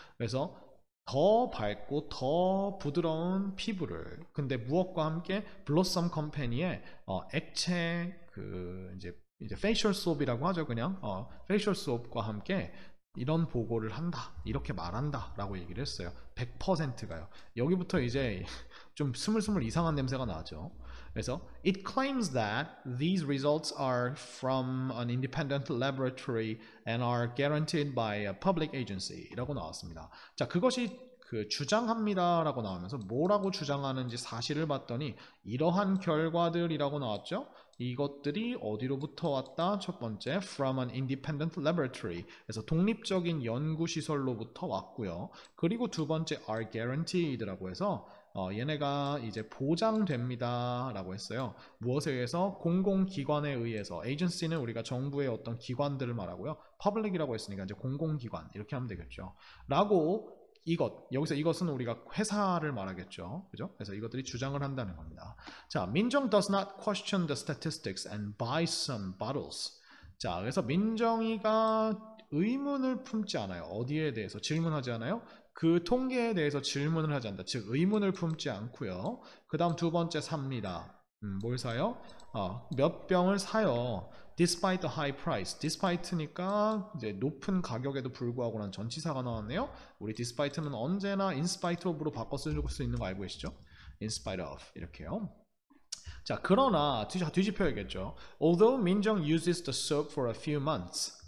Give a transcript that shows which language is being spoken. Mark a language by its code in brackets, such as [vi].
[ko] 그래서 더 밝고 더 부드러운 피부를, 근데 무엇과 함께 Blossom Company의 액체, 이제 facial soap이라고 하죠. 그냥 facial soap과 함께 이런 보고를 한다. 이렇게 말한다. 라고 얘기를 했어요. 100%가요. 여기부터 이제 좀 스물스물 이상한 냄새가 나죠. [en] 그래서, It claims that these results are from an independent laboratory and are guaranteed by a public agency. [ko] 라고 나왔습니다. 자, 그것이 그 주장합니다라고 나오면서 뭐라고 주장하는지 사실을 봤더니 이러한 결과들이라고 나왔죠. 이것들이 어디로부터 왔다? 첫 번째, [en] from an independent laboratory. [ko] 그래서 독립적인 연구시설로부터 왔고요. 그리고 두 번째, are guaranteed라고 해서 얘네가 이제 보장됩니다라고 했어요. 무엇에 의해서? 공공기관에 의해서. agency는 우리가 정부의 어떤 기관들을 말하고요. public이라고 했으니까 이제 공공기관. 이렇게 하면 되겠죠. 라고 이것, 여기서 이것은 우리가 회사를 말하겠죠. 그죠? 그래서 이것들이 주장을 한다는 겁니다. [en] 자, 민정 does not question the statistics and buy some bottles. [ko] 자, 그래서 민정이가 의문을 품지 않아요. 어디에 대해서 질문하지 않아요? 그 통계에 대해서 질문을 하지 않다. 즉, 의문을 품지 않고요. 그 다음 두 번째 삽니다. 뭘 사요? 몇 병을 사요? [en] Despite the high price. [ko] Despite니까 이제 높은 가격에도 불구하고라는 전치사가 나왔네요. 우리 despite는 언제나 in spite of로 바꿔 쓸 수 있는 거 알고 계시죠? [en] In spite of 이렇게요. [ko] 자, 그러나 뒤집혀야겠죠. [en] Although 민정 uses the soap for a few months.